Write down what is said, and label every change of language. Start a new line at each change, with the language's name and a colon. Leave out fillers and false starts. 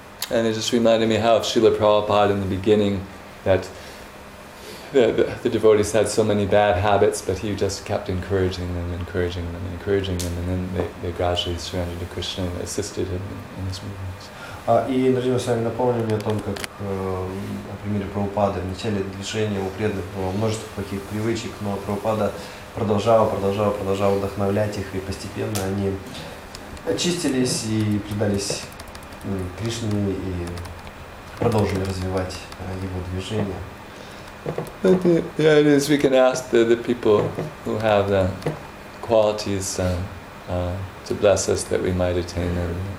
English: And it just reminded me how Srila Prabhupada in the beginning that the devotees had so many bad habits, but he just kept encouraging them, encouraging them, encouraging them, and then they gradually surrendered to Krishna and assisted him in his movements.
Russian: И Индраджима с вами напомнил мне о том, как, о примере Прабхупады, в начале движения у преданных было множество плохих привычек, но Прабхупада продолжал вдохновлять их, и постепенно они очистились и предались Кришне, и продолжили развивать его движение.
English: The idea is we can ask the people who have the qualities to bless us that we might attain them.